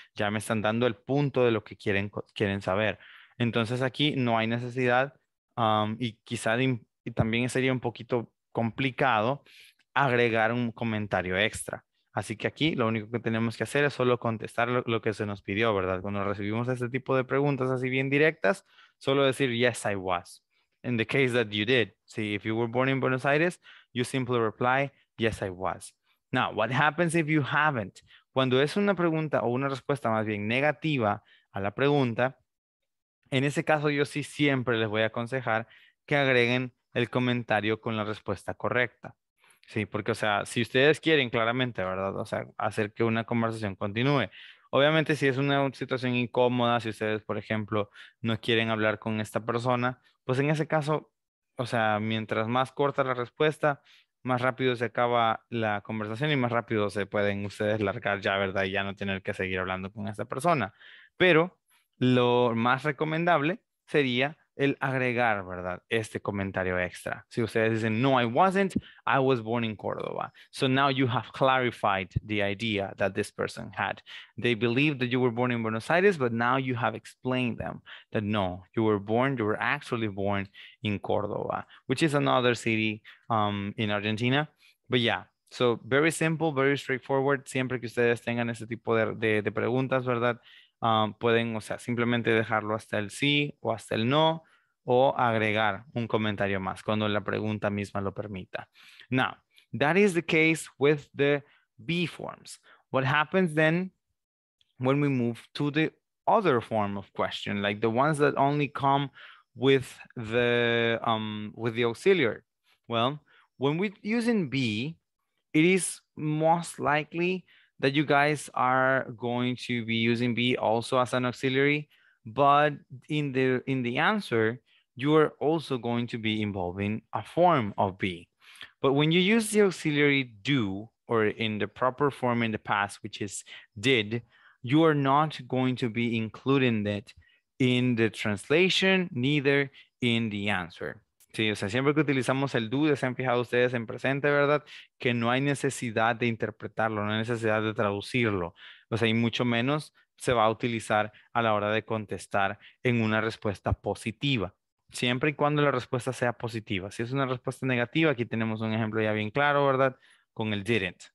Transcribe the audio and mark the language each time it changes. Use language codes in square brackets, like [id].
[es] Ya me están dando el punto de lo que quieren saber. Entonces aquí no hay necesidad y quizá y también sería un poquito complicado agregar un comentario extra. Así que aquí lo único que tenemos que hacer es solo contestar lo que se nos pidió, ¿verdad? Cuando recibimos este tipo de preguntas así bien directas, solo decir, [en] yes, I was. In the case that you did. See, if you were born in Buenos Aires, you simply reply, yes, I was. Now, what happens if you haven't? [es] Cuando es una pregunta o una respuesta más bien negativa a la pregunta, en ese caso yo sí siempre les voy a aconsejar que agreguen el comentario con la respuesta correcta. Sí, porque, o sea, si ustedes quieren claramente, ¿verdad? O sea, hacer que una conversación continúe. Obviamente, si es una situación incómoda, si ustedes, por ejemplo, no quieren hablar con esta persona, pues en ese caso, o sea, mientras más corta la respuesta, más rápido se acaba la conversación y más rápido se pueden ustedes largar ya, ¿verdad? Y ya no tener que seguir hablando con esa persona. Pero lo más recomendable sería el agregar, ¿verdad? Este comentario extra. Si ustedes dicen, no, [en] I wasn't, I was born in Córdoba. So now you have clarified the idea that this person had. They believed that you were born in Buenos Aires, but now you have explained them that no, you were actually born in Córdoba, which is another city in Argentina. But yeah, so very simple, very straightforward. Siempre que ustedes tengan ese tipo de preguntas, ¿verdad? Pueden, o sea, simplemente dejarlo hasta el sí o hasta el no, o agregar un comentario más cuando la pregunta misma lo permita. Now, that is the case with the be forms. What happens then when we move to the other form of question, like the ones that only come with the auxiliary? Well, when we're using be, it is most likely that you guys are going to be using be also as an auxiliary, but in the answer, you are also going to be involving a form of be. But when you use the auxiliary do, or in the proper form in the past, which is did, you are not going to be including that in the translation, neither in the answer. [es] Sí, o sea, siempre que utilizamos el do, se han fijado ustedes en presente, ¿verdad? Que no hay necesidad de interpretarlo, no hay necesidad de traducirlo. O sea, y mucho menos se va a utilizar a la hora de contestar en una respuesta positiva. Siempre y cuando la respuesta sea positiva. Si es una respuesta negativa, aquí tenemos un ejemplo ya bien claro, ¿verdad? Con el didn't.